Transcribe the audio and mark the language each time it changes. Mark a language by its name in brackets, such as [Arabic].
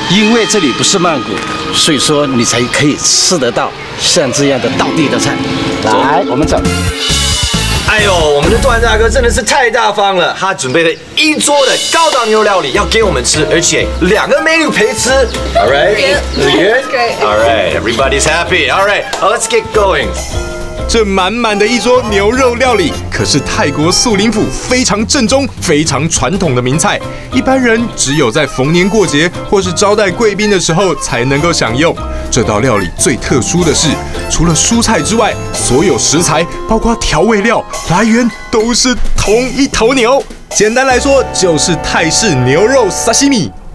[Chinese] 因为这里不是曼谷，所以说你才可以吃得到像这样的道地的菜。来，我们走。哎呦，我们的段大哥真的是太大方了，他准备了一桌的高档牛肉料理要给我们吃，而且两个 menu 陪吃。 [English] All right, good. Good. All right, everybody's happy. All right, let's get going. [Chinese] 这满满的一桌牛肉料理可是泰国素林府非常正宗非常传统的名菜，一般人只有在逢年过节或是招待贵宾的时候才能够享用。这道料理最特殊的是，除了蔬菜之外，所有食材包括调味料来源都是同一头牛，简单来说就是泰式牛肉沙西米。